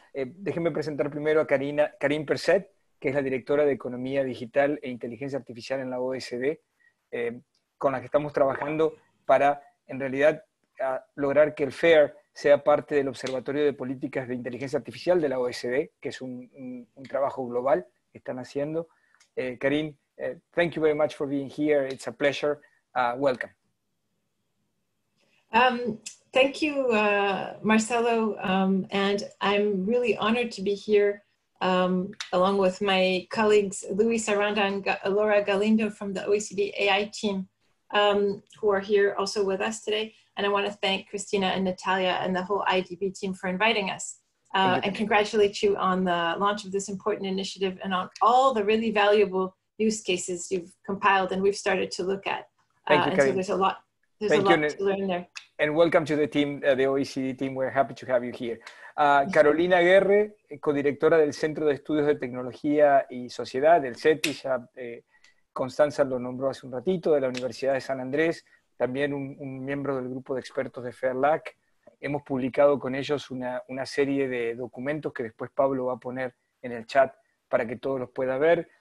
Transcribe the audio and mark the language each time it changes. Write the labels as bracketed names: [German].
[Spanish] Déjenme presentar primero a Karim Perset, que es la directora de Economía Digital e Inteligencia Artificial en la OECD, con la que estamos trabajando para, en realidad, lograr que el FAIR sea parte del Observatorio de Políticas de Inteligencia Artificial de la OECD, que es un trabajo global que están haciendo. [English] Karim, thank you very much for being here. It's a pleasure. Welcome. Thank you, Marcelo, and I'm really honored to be here along with my colleagues, Luis Aranda and Laura Galindo from the OECD AI team, who are here also with us today. And I want to thank Christina and Natalia and the whole IDB team for inviting us. And congratulate you on the launch of this important initiative and on all the really valuable use cases you've compiled and we've started to look at. There's a lot to learn there. And welcome to the team, the OECD team. We're happy to have you here. [Spanish] Carolina Guerre, codirectora del Centro de Estudios de Tecnología y Sociedad, del CETI, ya Constanza lo nombró hace un ratito, de la Universidad de San Andrés, también un miembro del grupo de expertos de Fairlack. Hemos publicado con ellos una serie de documentos que después Pablo va a poner en el chat para que todos los pueda ver.